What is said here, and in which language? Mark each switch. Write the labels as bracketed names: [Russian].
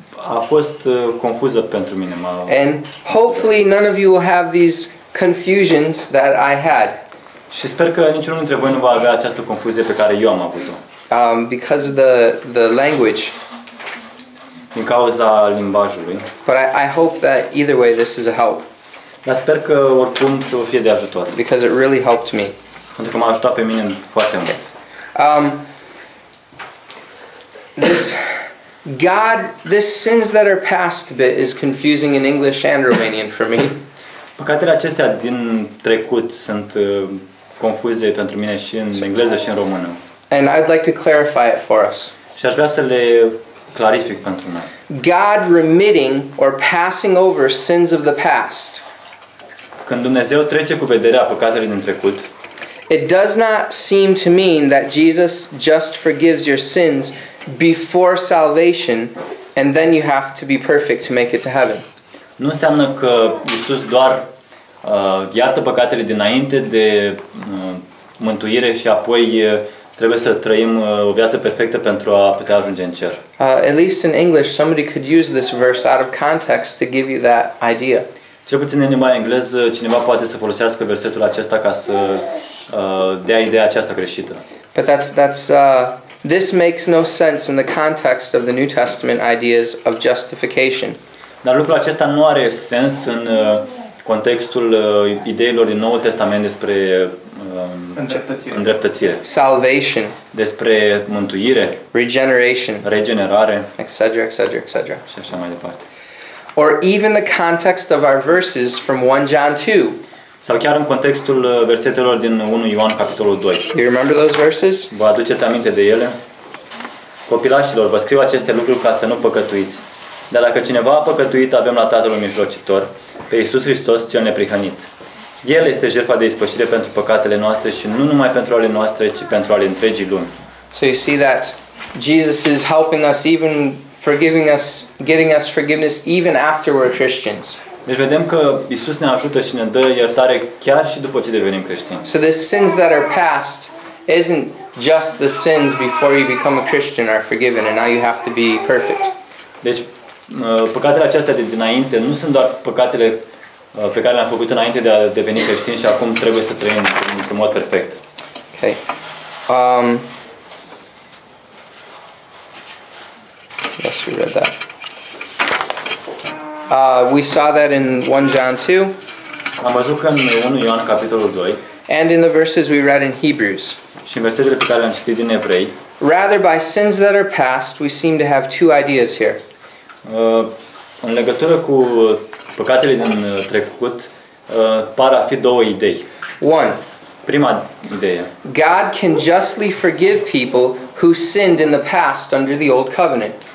[Romanian] A fost confuză pentru mine. [English] And hopefully none of you will have these confusions that I had. [Romanian] Și sper că niciunul dintre voi nu va avea această confuzie pe care eu am avut-o. [English] Because of the language. [Romanian] Din cauza limbajului. [English] But I hope that either way this is a help. [Romanian] Dar sper că oricum să fie de ajutor. [English] Because it really helped me. [Romanian] Pentru că m-a ajutat pe mine foarte mult. [English] This sins that are past bit is confusing in English and Romanian for me. [Romanian] Păcatele acestea din trecut sunt confuze pentru mine și în engleză și în română. [English] And I'd like to clarify it for us. [Romanian] Și aș vrea să le clarific pentru noi. [English] God remitting or passing over sins of the past. [Romanian] Când Dumnezeu trece cu vederea păcatele din trecut. [English] It does not seem to mean that Jesus just forgives your sins before salvation and then you have to be perfect to make it to heaven. [Romanian] Nu înseamnă că Iisus doar iartă păcatele dinainte de mântuire și apoi trebuie să trăim o viață perfectă pentru a putea ajunge în cer. [English] At least in English somebody could use this verse out of context to give you that idea. [Romanian] Cel puțin în limba engleză cineva poate să folosească versetul acesta ca să dea ideea aceasta greșită. [English] But this makes no sense in the context of the New Testament ideas of justification. [Romanian] Dar lucrul acesta nu are sens în contextul ideilor din Noul Testament despre îndreptățire. [English] Salvation. [Romanian] Despre mântuire. [English] Regeneration. [Romanian] Regenerare. [English] Etc. etc. etc. [Romanian] Și așa mai departe. [English] Or even the context of our verses from 1 John 2. [Romanian] Sau chiar în contextul versetelor din 1 Ioan capitolul 2. [English] You remember those verses? [Romanian] Vă aduceți aminte de ele? Copilașilor, vă scriu aceste lucruri ca să nu păcătuiți. Dar dacă cineva a păcătuit, avem la Tatăl un mijlocitor, pe Iisus Hristos, cel neprihănit. El este jertfa de ispășire pentru păcatele noastre și nu numai pentru ale noastre, ci pentru ale întregii lumi. [English] So you see that Jesus is helping us even forgiving us, getting us forgiveness even after we're Christians. [Romanian] Deci vedem că Iisus ne ajută și ne dă iertare chiar și după ce devenim creștini. [English] So the sins that are past isn't just the sins before you become a Christian are forgiven and now you have to be perfect. [Romanian] Deci păcatele acestea de dinainte nu sunt doar păcatele pe care le-am făcut înainte de a deveni creștin și acum trebuie să trăim într-un mod perfect. [English] Okay. Yes, we read that. We saw that in 1 John 2. [Romanian] Am văzut că în 1 Ioan capitolul 2. [English] And in the verses we read in Hebrews. [Romanian] Și în versetele pe care le-am citit din Evrei. [English] Rather by sins that are past, we seem to have two ideas here. [Romanian] În legătură cu păcatele din trecut, par a fi două idei. [English] One. [Romanian] Prima idee. [English] God can justly forgive people who sinned in the past under the old covenant.